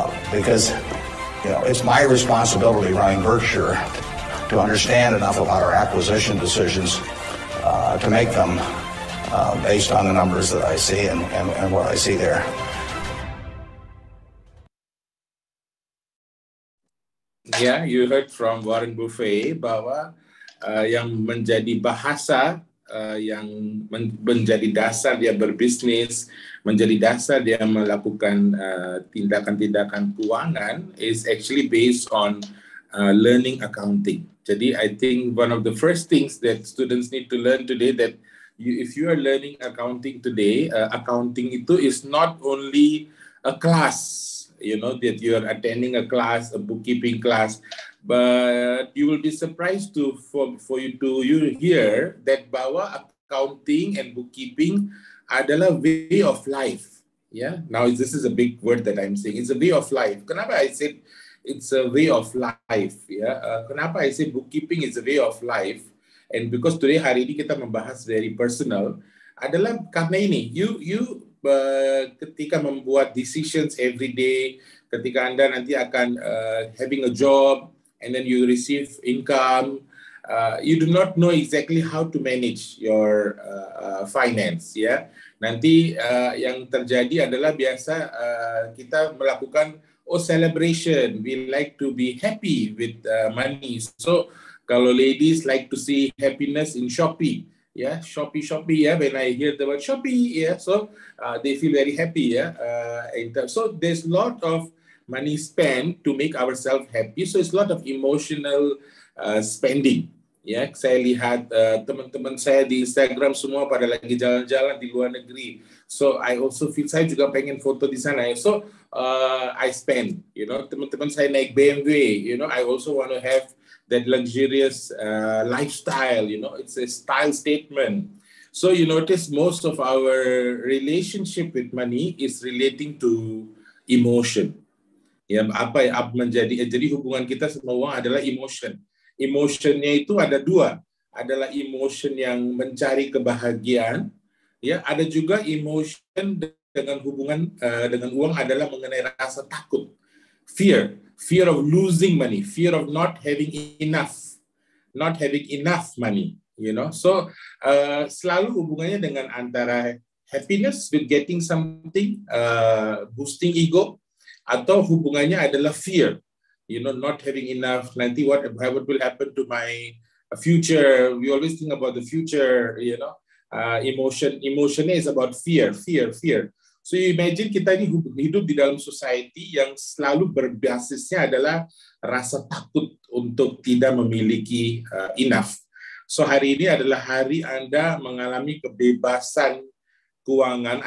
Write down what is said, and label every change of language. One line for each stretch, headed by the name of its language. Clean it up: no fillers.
English: Because, you know, it's my responsibility running Berkshire to understand enough about our acquisition decisions to make them based on the numbers that I see and what I see there. Yeah, you heard from Warren Buffett
Indonesian: bahwa yang menjadi bahasa, yang menjadi dasar dia berbisnis, menjadi dasar dia melakukan tindakan-tindakan keuangan
English: is actually based on learning accounting. Jadi, I think one of the first things that students need to learn today that you, if you are learning accounting today, accounting itu is not only a class. You know, that you are attending a class, a bookkeeping class, but you will be surprised to for you to hear that bahwa accounting and bookkeeping adalah way of life. Yeah, now this is a big word that I'm saying. It's a way of life. Kenapa I said it's a way of life? Yeah, kenapa I say bookkeeping is a way of life? And because today,
Indonesian: hari ini kita membahas
English: very personal,
Indonesian: adalah karena ini, you. Ketika membuat
English: decisions every day,
Indonesian: ketika Anda nanti akan
English: having a job and then you receive income, you do not know exactly how to manage your finance, ya. Yeah?
Indonesian: Nanti yang terjadi adalah biasa kita melakukan celebration.
English: We like to be happy with money. So kalau ladies like to see happiness in Shopee. Yeah, Shopee, yeah, when I hear the word Shopee, yeah, so they feel very happy, yeah. So there's a lot of money spent to make ourselves happy, so it's a lot of emotional spending, yeah.
Indonesian: Saya lihat teman-teman saya di Instagram semua pada lagi jalan-jalan di luar negeri,
English: so I also feel,
Indonesian: saya juga pengen foto di sana,
English: so I spend, you know,
Indonesian: teman-teman saya naik BMW,
English: you know, I also want to have that luxurious lifestyle, you know, it's a style statement. So you notice most of our relationship with money is relating to emotion.
Indonesian: Ya, apa ya, menjadi, jadi hubungan kita sama uang adalah emotion. Emotionnya itu ada dua, adalah emotion yang mencari kebahagiaan, ya, ada juga emotion dengan hubungan dengan uang adalah mengenai rasa takut, fear.
English: Fear of losing money, fear of not having enough money, you know. So
Indonesian: selalu hubungannya dengan antara
English: happiness with getting something, boosting ego,
Indonesian: atau hubungannya adalah
English: fear, you know, not having enough. Nanti what will happen to my future? We always think about the future, you know. Emotionnya is about fear. So you imagine
Indonesian: kita ini hidup di dalam society yang selalu berbasisnya adalah rasa takut untuk tidak memiliki enough. So hari ini adalah hari Anda mengalami kebebasan keuangan.